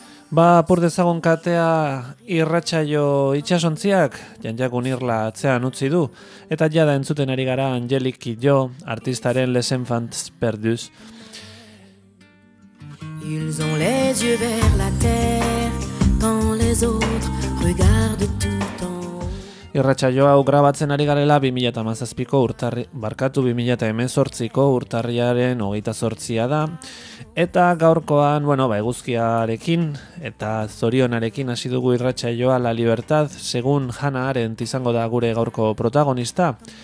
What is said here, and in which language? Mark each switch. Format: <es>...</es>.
<eu>Ba, apur dezagon katea irratsaio itxasontziak, Jean-Jacques Unirla atzean utzi du, eta jada entzuten ari gara Angélique Kidjo, artistaren Les Enfants Perdus.</eu> <fr>Ils ont les yeux vers la terre, quand les autres regardent tout en...</fr> <eu>Irratsaio hau grabatzen ari garela 2017ko urtarriaren 28a da. Eta gaurkoan, bueno, ba eguzkiarekin eta zorionarekin hasi dugu irratsaioa La Libertad, segun Hannah Arendt izango da gure gaurko protagonista.</eu>